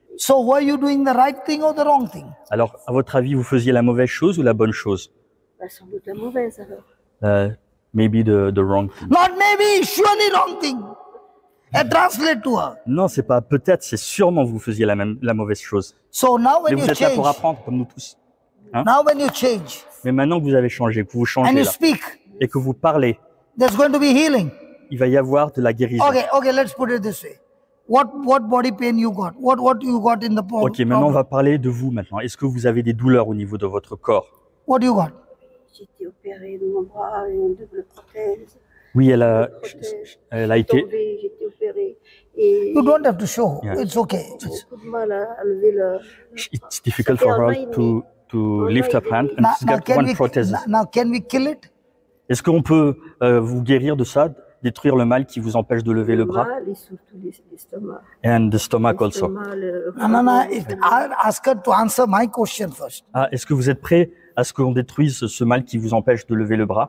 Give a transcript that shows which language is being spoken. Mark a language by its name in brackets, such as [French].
[English] So were you doing the right thing or the wrong thing? [French] Alors, à votre avis, vous faisiez la mauvaise chose ou la bonne chose? Sans doute la mauvaise alors. [English] Maybe the wrong thing. Not maybe, surely wrong thing. And translate to her. [French] Non, c'est pas peut-être, c'est sûrement vous faisiez la mauvaise chose. [English] So now when [French] mais [English] you change. [French] Mais vous êtes [English] change, [French] là pour apprendre comme nous tous. Hein? [English] Now when you change. [French] Mais maintenant que vous avez changé, que vous changez [English] and [French] là. [English] And you speak. [French] Et que vous parlez. [English] There's going to be healing. [French] Il va y avoir de la guérison. [English] Okay, okay, let's put it this way. What body pain you got? What you got in the body? [French] Okay, maintenant on va parler de vous maintenant. Est-ce que vous avez des douleurs au niveau de votre corps? [English] What do you got? [French] J'ai été opérée de mon bras, une double prothèse. Oui, elle a été. J'ai été opérée et. [English] You don't have to show. Yeah. It's okay. [French] J'ai beaucoup de mal à lever le. [English] It's difficult for her to lift up hand and she's got one prothèse. Now can we kill it? [French] Est-ce qu'on peut vous guérir de ça? Détruire le mal qui vous empêche de lever le bras. Et surtout l'estomac. [English] And the stomach [French] l'estomac [English] also. Le... No, ask her to answer my question first. [French] Ah, est-ce que vous êtes prêt à ce qu'on détruise ce mal qui vous empêche de lever le bras?